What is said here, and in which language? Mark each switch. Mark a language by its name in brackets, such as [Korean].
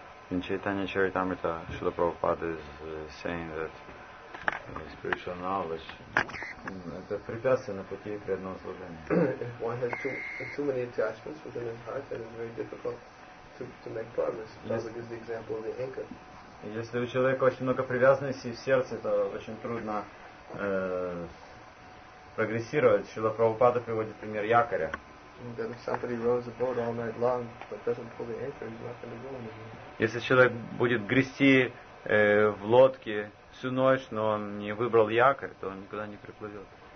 [English] In Chaitanya Charitamrita, Srila Prabhupada is saying that spiritual knowledge. [Russian] Это препятствие на пути преданного служения. [English] If one has too many attachments within his heart, then it's very difficult to make progress. Prabhupada gives the example of the anchor. [Russian] Если у человека очень много привязанностей в сердце, то очень трудно прогрессировать. Шрила Прабхупада приводит пример якоря. [English] Then if somebody rows a boat all night long but doesn't pull the anchor, he's not going to go anywhere. [Russian] Если человек будет грести в лодке всю ночь, но он не выбрал якорь, то он никуда не приплывет.